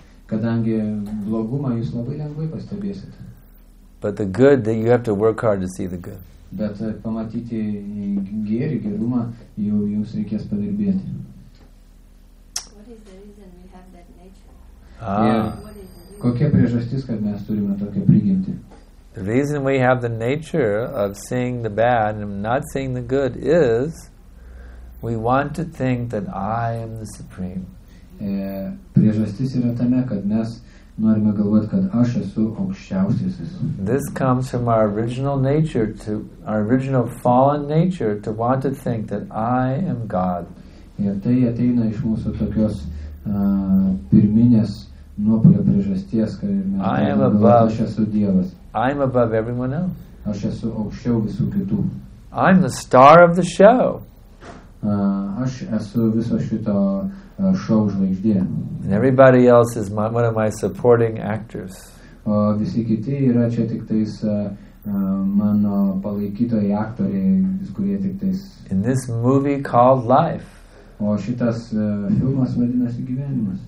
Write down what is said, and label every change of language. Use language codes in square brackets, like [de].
[lt] Kadangi blogumą jūs labai lengvai pastebėsite. [en] But the good, that you have to work hard to see the good. [lt] Bet pamatyti gėrį, gerumą, jau jums reikės padirbėti. [en] What is the reason we have that nature? [lt] Kokia priežastis, kad mes turime tokią prigimtį? [en] The reason we have the nature of seeing the bad and not seeing the good is we want to think that I am the supreme. [lt] Priežastis yra tame, kad mes norime galvoti, kad aš esu aukščiausiasis. [en] This comes from our original nature, to our original fallen nature, to want to think that I am God. [lt] Ir tai ateina iš mūsų tokios pirminės nuopolio priežasties, kad aš esu Dievas. [en] I'm above everyone else. [lt] Aš esu aukščiau visų kitų. [en] I'm the star of the show. [lt] Aš esu viso šito šou žvaigždė. [en] And everybody else is one of my supporting actors. [lt] Visi kiti yra čia tik tais mano palaikytojai aktoriai, kurie tik tais. [en] In this movie called Life. [lt] O šitas filmas vadinasi Gyvenimas.